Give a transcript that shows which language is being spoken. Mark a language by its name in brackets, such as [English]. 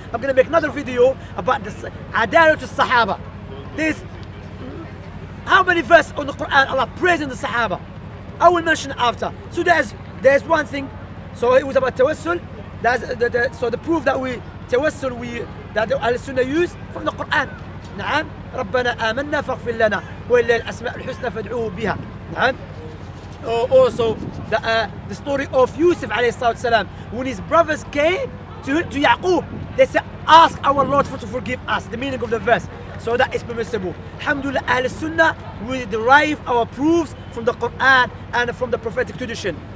[English] I'm gonna make another video about this adalat al-Sahaba. This, how many verses on the Quran Allah praising the Sahaba? I will mention it after. So there's one thing. So it was about tawassul. That's so the proof that we tawassul, we that the Al-Sunnah use from the Quran. [Arabic] نعم ربنا آمنا فاغفر لنا وإلا الأسماء الحسنى فادعوه بها. نعم. [English] Also the story of Yusuf [Arabic] عليه الصلاة والسلام, [English] when his brothers came to Yaqub, they said, ask our Lord to forgive us, the meaning of the verse. So that is permissible. Alhamdulillah, Ahl Sunnah, we derive our proofs from the Quran and from the prophetic tradition.